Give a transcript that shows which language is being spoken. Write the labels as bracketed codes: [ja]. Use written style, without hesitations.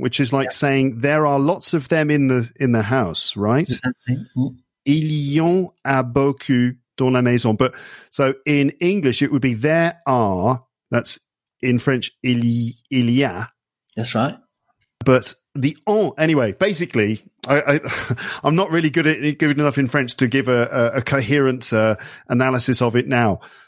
[en] which is like saying there are lots of them in the house, right? Exactly. [fr] Il y en a beaucoup dans la maison. [en] But so in English, it would be there are, that's in French, il y a. That's right. But the en, anyway, basically, I'm not really good enough in French to give a coherent analysis of it now.